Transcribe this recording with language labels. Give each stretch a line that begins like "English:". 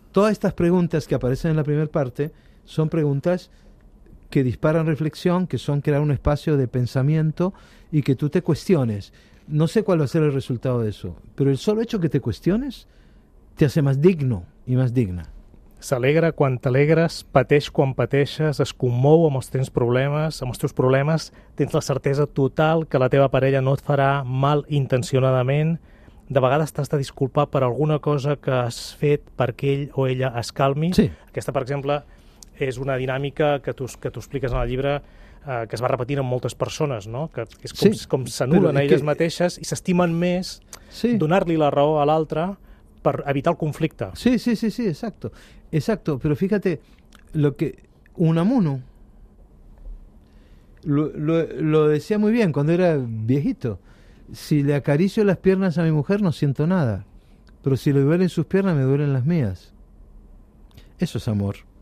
Spanish: todas estas preguntas que aparecen en la primera parte son preguntas que disparan reflexión, que son crear un espacio de pensamiento y que tú te cuestiones. No sé cuál va a ser el resultado de eso, pero el solo hecho que te cuestiones te hace más digno y más digna.
Catalan: S'alegra quan t'alegres, pateix quan pateixes, es commou amb els teus problemes. Amb els teus problemes tens la certesa total que la teva parella no et farà mal intencionadament. de vegades t'has de disculpar per alguna cosa que has fet perquè ell o ella es calmi. Sí. Aquesta, per exemple, és una dinàmica que tu expliques en el llibre, que es va repetint en moltes persones, no? Que és com, sí, com s'anulen elles mateixes i s'estimen més, sí, donar-li la raó a l'altre per evitar el conflicte.
Spanish: Sí, sí, sí, sí, exacto. Exacto, pero fíjate lo que Unamuno lo decía muy bien cuando era viejito. Si le acaricio las piernas a mi mujer no siento nada, pero si le duelen sus piernas me duelen las mías. Eso es amor.